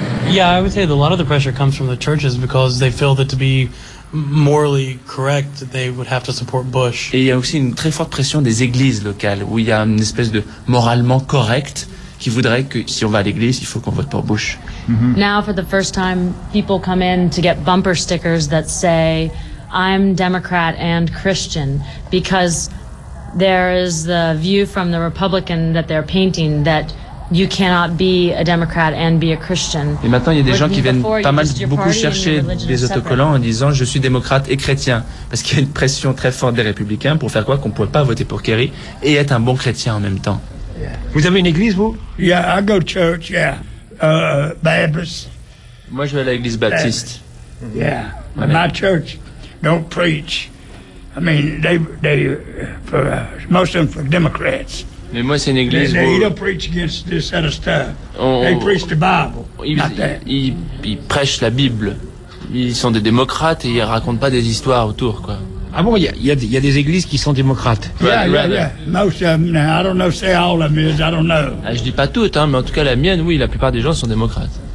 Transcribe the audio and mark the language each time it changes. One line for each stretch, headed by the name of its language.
English: Yeah, I would say that a lot of the pressure comes from the churches because they feel that to be morally correct, they would have to support Bush.
French: Et il y a aussi une très forte pression des églises locales où il y a une espèce de moralement correct qui voudrait que si on va à l'église, il faut qu'on vote pour Bush. Mm-hmm.
English: Now, for the first time, people come in to get bumper stickers that say, "I'm Democrat and Christian," because there is the view from the Republican that they're painting that you cannot be a Democrat and be a Christian.
French: Et maintenant, il y a des gens qui viennent pas mal beaucoup chercher des autocollants en disant je suis démocrate et chrétien, parce qu'il y a une pression très forte des républicains pour faire quoi qu'on pourrait pas voter pour Kerry et être un bon chrétien en même temps. Yeah. Vous avez une église vous?
English: Yeah, I go to church. Yeah, Baptist.
French: Moi, je vais à l'église baptiste.
English: Yeah, yeah. My church don't preach. I mean, they for most of them for Democrats.
French: Mais moi, c'est une église où...
English: They don't preach against this sort of stuff. They preach the Bible, not that.
French: Ils prêchent la Bible. Ils sont des démocrates et ils racontent pas des histoires autour, quoi. Ah bon, il y a des églises qui sont démocrates.
English: Yeah. Most of them, I don't know, say all of them is, I don't know.
French: Ah, je dis pas toutes, hein, mais en tout cas, la mienne, oui, la plupart des gens sont démocrates.